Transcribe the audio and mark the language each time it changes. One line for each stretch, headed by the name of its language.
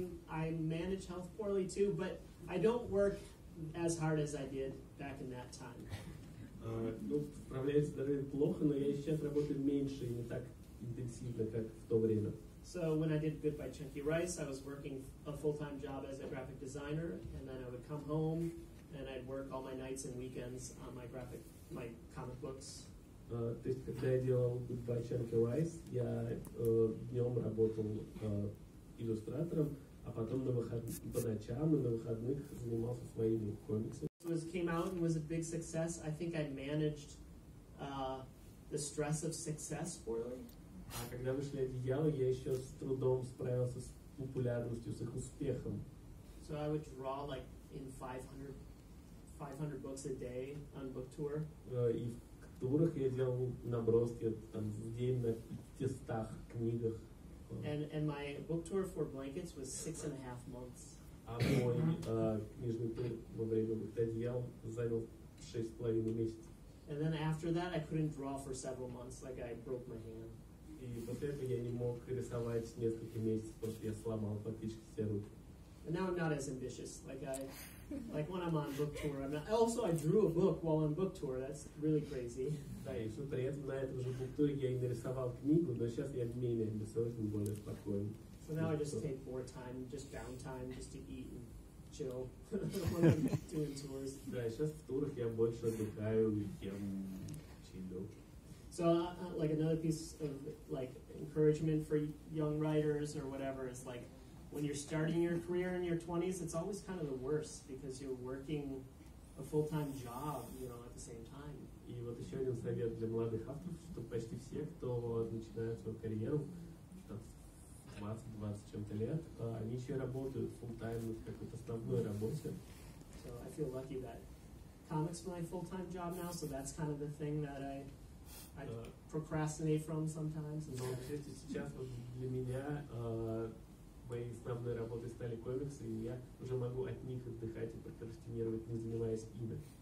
English: I manage health poorly too, but I don't work as hard as I did back in that time.
Russian: Ну, управляю здоровьем плохо, но я сейчас работаю меньше и не так интенсивно, как в то время.
English: So when I did Goodbye Chunky Rice, I was working a full-time job as a graphic designer, and then I would come home and I'd work all my nights and weekends on my comic books.
Russian: То есть, когда я делал Goodbye Chunky Rice, я днем работал иллюстратором, а потом по ночам и на выходных занимался своими комиксами.
English: Came out and was a big success. I think I managed the stress of success poorly.
Russian: Когда вышли «Одеяла», я еще с трудом справился с популярностью, с их успехом.
English: So I would draw like in 500 books a day on book tour.
Russian: И в турах я делал наброски там в день на 500 книгах.
English: And my book tour for blankets was 6.5 months.
Russian: А мой книжный тур во время «Одеяла» занял 6.5 месяца.
English: And then after that I couldn't draw for several months, like I broke my hand.
Russian: И после этого я не мог рисовать несколько месяцев, потому что я сломал фактически все руки.
English: And now I'm not as ambitious, like when I'm on book tour. I drew a book while on book tour. That's really crazy.
Russian: Да, и еще при этом на этом же
English: book tour
Russian: я и нарисовал книгу, но сейчас я менее амбициозен, более спокоен.
English: So now I just take more time, just downtime, just to eat and chill when I'm doing tours.
Russian: Да, сейчас в турах я больше отдыхаю, чем чиллю.
English: So like another piece of like encouragement for young writers or whatever is like when you're starting your career in your 20s, it's always kind of the worst because you're working a full-time job, you know, at the same time.
Russian: И вот еще один совет для молодых авторов, что почти все, кто начинает свою карьеру, 20 чем-то лет, они еще работают full-time в какой-то основной работе.
English: So I feel lucky that comics my full-time job now, so that's kind of the thing that I procrastinate from sometimes.
Russian: Но сейчас вот для меня мои основные работы стали комиксы, и я уже могу от них отдыхать и прокрастинировать, не занимаясь ими.